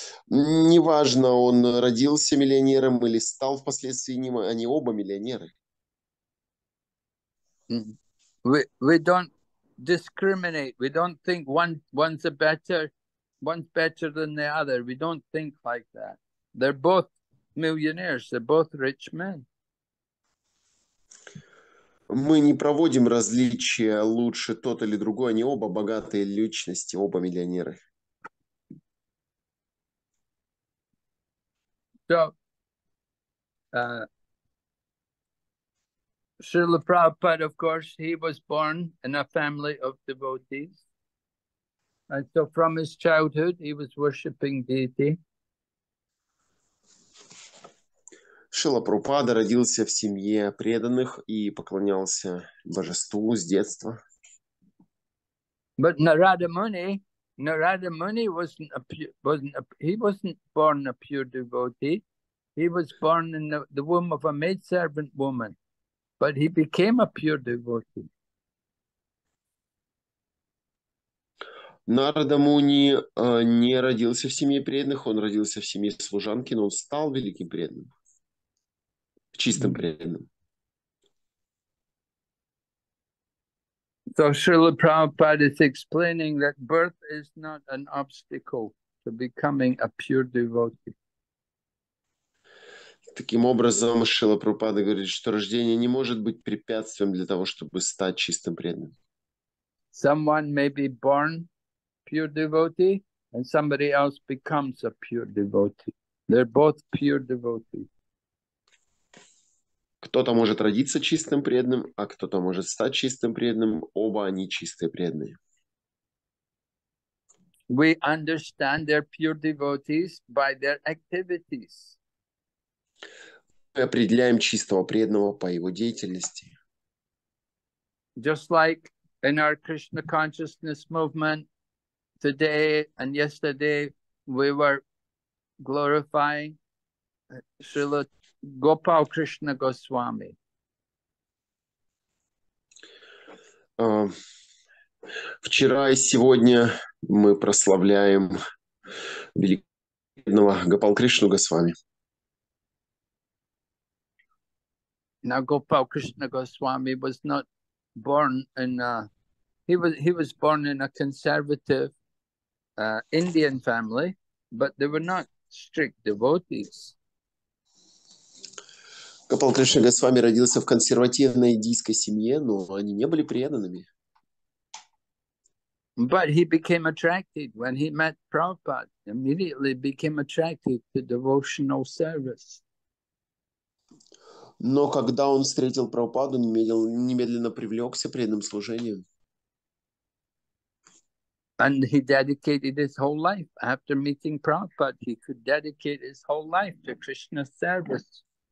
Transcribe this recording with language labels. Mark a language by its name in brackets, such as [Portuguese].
[Russian] Неважно, он родился миллионером или стал впоследствии ним, они оба миллионеры. [English] We don't discriminate. We don't think one's better than the other. We don't think like that. They're both millionaires. They're both rich men. [Russian] Мы не проводим различия лучше тот или другой, они оба богатые личности, оба миллионеры. [English] So, Srila Prabhupada, of course, he was born in a family of devotees. And so from his childhood he was worshipping deity. [Russian] Шрила Прабхупада родился в семье преданных и поклонялся божеству с детства. [English] But Narada Muni wasn't born a pure devotee. He was born in the womb of a maidservant woman, but he became a pure devotee. [Russian] Нарада Муни не родился в семье преданных, он родился в семье служанки, но он стал великим преданным. Чистым преданным. [English] So Srila Prabhupada is explaining that birth is not an obstacle to becoming a pure devotee. [Russian] Таким образом, Шрила Прабхупада говорит, что рождение не может быть препятствием для того, чтобы стать чистым преданным. [English] Someone may be born pure devotee, and somebody else becomes a pure devotee. They're both pure devotees. [Russian] Кто-то может родиться чистым преданным, а кто-то может стать чистым преданным. Оба они чистые преданные. [English] We understand they're pure devotees by their activities. [Russian] Мы определяем чистого преданного по его деятельности. [English] Just like in our Krishna consciousness movement, today and yesterday we were glorifying Srila Gopal Krishna Goswami. [Russian] Вчера и сегодня мы прославляем великого Гопал Кришну Госвами. [English] Now Gopal Krishna Goswami was not born in a, he was born in a conservative Indian family, but they were not strict devotees. [Russian] Gopal Krishna Goswami родился в консервативной индийской семье, но они не были преданными. [English] But he became attracted when he met Prabhupada, immediately became attracted to devotional service. [Russian] Но когда он встретил Прабхупаду, немедленно привлекся преданным служением. [English] And he dedicated his whole life. After meeting Prabhupada, he could dedicate his whole life to Krishna's service.